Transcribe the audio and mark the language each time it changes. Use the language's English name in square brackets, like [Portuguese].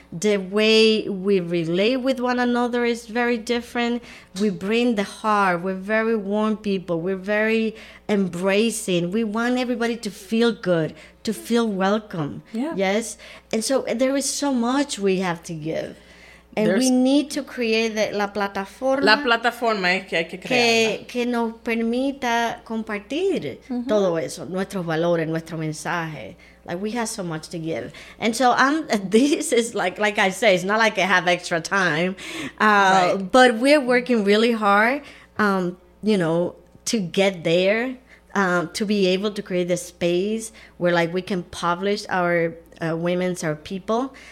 [English] The way we relate with one another is very different. We bring the heart. We're very warm people. We're very embracing. We want everybody to feel good, to feel welcome. Yeah. Yes. And so there is so much we have to give. And there's, we need to create [Spanish] la plataforma es que hay que crearla. Que nos permita compartir todo eso, nuestros valores, nuestro mensaje. [English] Like, we have so much to give. And so this is like I say, it's not like I have extra time. But we're working really hard, to get there, to be able to create the space where, like, we can publish our women's, our people.